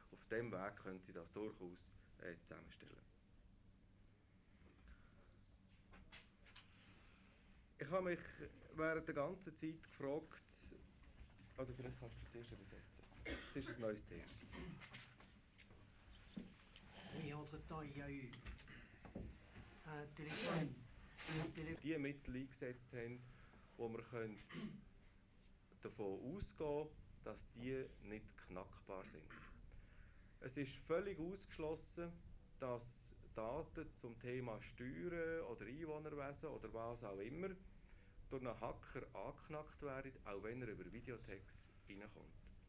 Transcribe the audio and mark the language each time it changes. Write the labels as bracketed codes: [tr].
[de] Auf dem Weg können sie das durchaus zusammenstellen. Ich habe mich während der ganzen Zeit gefragt, oder vielleicht kannst du zuerst übersetzen. Es ist ein neues Thema. [fr] Et entre-temps, il y a eu un téléphone. [de] Die Mittel eingesetzt haben, wo wir davon ausgehen können, dass die nicht knackbar sind. Es ist völlig ausgeschlossen, dass Daten zum Thema Steuern oder Einwohnerwesen oder was auch immer durch einen Hacker angeknackt werden, auch wenn er über Videotext reinkommt.